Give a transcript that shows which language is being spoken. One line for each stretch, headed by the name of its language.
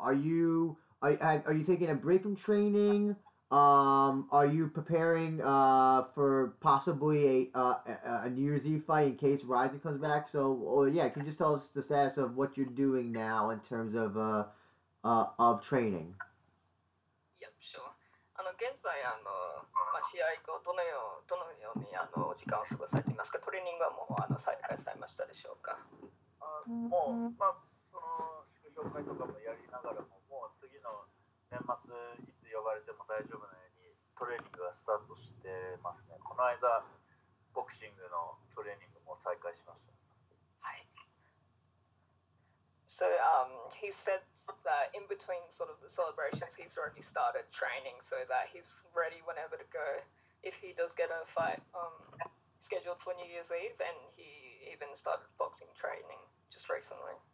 English: Are you taking a break from training? Are you preparing for possibly a New Year's Eve fight in case Ryzen comes back? So, can you just tell us the status of what you're doing now in terms of training? Yep, sure.
Japanese: 現在試合後どのように時間を過ごされていますか？トレーニングはもう再開されましたでしょうか？もう、その祝勝会とかもやりながらももう次の年末いつ呼ばれても大丈夫なようにトレーニングがスタートしてますね。この間ボクシングのトレーニングも再開しました。はい。
English: So he said that in between sort of the celebrations he's already started training so that he's ready whenever to go if he does get a fight scheduled for New Year's Eve, and he even started boxing training just recently.